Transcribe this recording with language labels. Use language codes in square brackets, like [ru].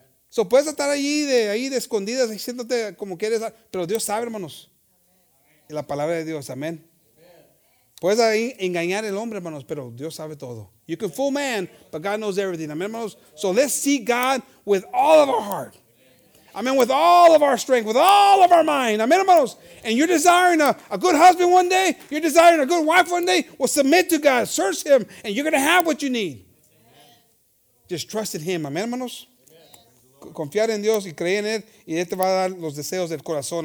[es] So puedes estar ahí de escondidas, diciéndote como quieres, pero Dios sabe, hermanos. Y la palabra de Dios, amén. Puedes ahí engañar el hombre, hermanos, pero Dios sabe todo. [en] You can fool man, but God knows everything. Amen, hermanos. So let's seek God with all of our heart. Amen. With all of our strength, with all of our mind. Amen, hermanos. And you're desiring a good husband one day, you're desiring a good wife one day, well, submit to God, search him, and you're going to have what you need. Just trust in him. Amen, hermanos. [es] Confiar en Dios y creer en él, y él te va a dar los deseos del corazón.